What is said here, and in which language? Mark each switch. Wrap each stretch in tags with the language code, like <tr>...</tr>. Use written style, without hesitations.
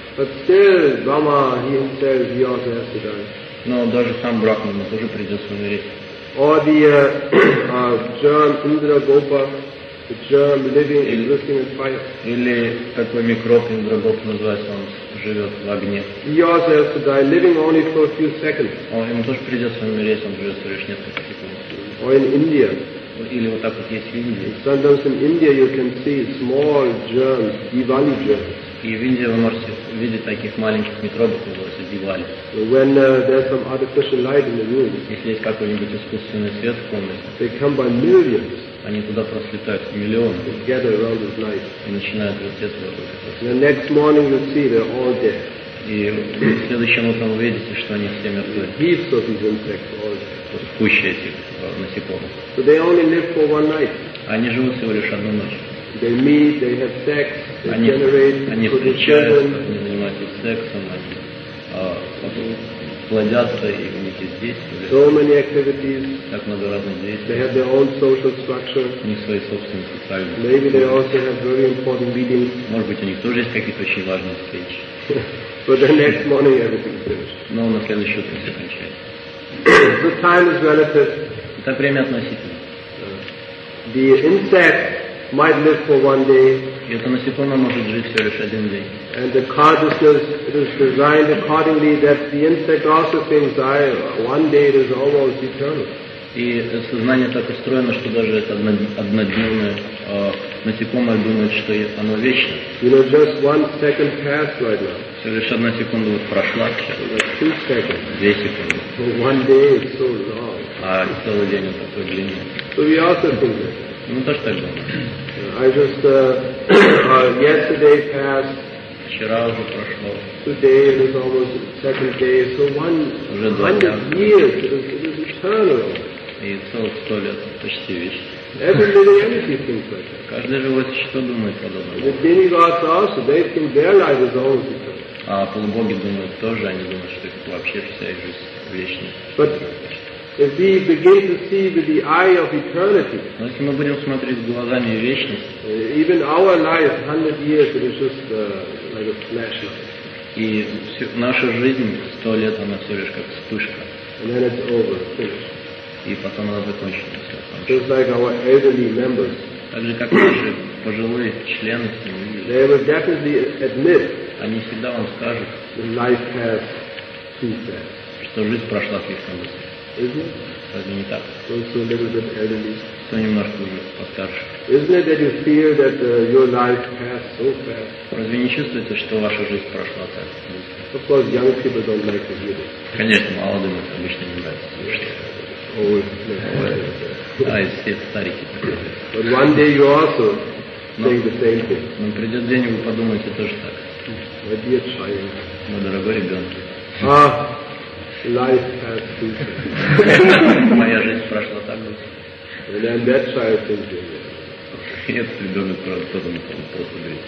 <en>But still, Brahma, he himself, he also has to die.</en> <ru>Но даже сам Брахма, ему тоже придется умереть.</ru> <en>Or the germ Indra Gopa, the germ living, existing in fire.</en> <ru>Или такой микроб Индра Гопа называется, он живет в огне.</ru> <en>He also has to die, living only for a few seconds.</en> <ru>Ему тоже придется умереть, он живет всего лишь несколько секунд.</ru> <en>Or in India.</en> <ru>Или вот так вот есть в Индии.</ru> <en>Sometimes in India you can see small germs, Diwali germs.</en> <ru>И в Индии вы можете видеть таких маленьких микробов, называется Diwali.</ru> <en>When there's some artificial light in the room.</en> <ru>Если есть какой-нибудь искусственный свет в комнате.</ru> <en>They come by millions.</en> <ru>Они туда просто летают миллионы.</ru> <en>They gather around this light.</en> <ru>И начинают вертеться вокруг.</ru> <en>The next morning you see they're all dead.</en> <ru>И в следующем утром вы видите, что они все мертвы.</ru> <en>Heaps of these insects all dead.</en> <ru>Куча этих насекомых.</ru> <en>So they only live for one night.</en> <ru>Они живут всего лишь одну ночь.</ru> <en>They meet, they have sex, they</en> <ru>они,</ru> <en>generate,</en> <ru>они встречаются, они занимаются сексом, они плодятся и у них есть дети.</ru> <en>So many activities.</en> <ru>Так много разных действий.</ru> <en>They have their own social structure.</en> <ru>У них свои собственные социальные структуры.</ru> <en>Maybe they also have very important meetings.</en> <ru>Может быть, у них тоже есть какие-то очень важные встречи.</ru> <en>But the next morning everything finished.</en> <ru>Но на следующий утро все кончается.</ru> <en>The time is relative.</en> <ru>Это время относительно.</ru> <en>The insect might live for one day.</en> <ru>И это насекомое может жить всего лишь один день.</ru> <en>And the consciousness is designed accordingly that the insect also thinks, I one day it is almost eternal.</en> <ru>И сознание так устроено, что даже это однодневное насекомое думает, что оно вечно.</ru> <en>You know, just one second passed right now.</en> <ru>Всего лишь одна секунда вот прошла.</ru> <en>Two seconds.</en> <ru>Две секунды.</ru> <en>One day is so long.</en> <ru>А целый день он такой длинный.</ru> <en>So we also think that.</en> <ru>Ну, тоже так было.</ru> <en>I just, yesterday passed.</en> <ru>Вчера уже прошло.</ru> <en>Today is almost the second day. So one hundred years, it is eternal.</en> <ru>И целых сто лет почти вечно.</ru> <en>Every living entity thinks like that.</en> <ru>Каждое живое существо думает подобное.</ru> <en>The demigods also, they think their life is always eternal.</en> <ru>А полубоги думают тоже, они думают, что их вообще вся их жизнь вечна.</ru> <en>But if we begin to see with the eye of eternity,</en> <ru>но если мы будем смотреть глазами вечности,</ru> <en>even our life, 100 years, it is just like a flash light.</en> <ru>И наша жизнь, 100 лет, она все лишь как вспышка.</ru> <en>And then it's over, finished.</en> <ru>И потом она закончена. Все,</ru> <en>just like our elderly members.</en> <ru>Так же, как наши пожилые члены с ними.</ru> <en>They will definitely admit.</en> <ru>Они всегда вам скажут,</ru> <en>life has two steps.</en> <ru>Что жизнь прошла слишком быстро. Разве не так?</ru> <en>Also a little bit elderly.</en> <ru>Кто немножко уже постарше?</ru> <en>Isn't it that you feel that your life passed so fast?</en> <ru>Разве не чувствуете, что ваша жизнь прошла так быстро?</ru> <en>Of course, young people don't like to hear it.</en> <ru>Конечно, молодым это обычно не нравится.</ru> <en>Always.</en> <ru>старики.</ru> <en>But one day you also think the same thing.</en> <ru>Но придет день, и вы подумаете тоже так.</ru> <en>My dear child.</en> <ru>Мой дорогой ребенок.</ru> <en>Ah, life has been.</en> <ru>Моя жизнь прошла так быстро.</ru> <en>And then that child thinks.</en> <ru>Этот ребенок просто думает, просто говорит.</ru>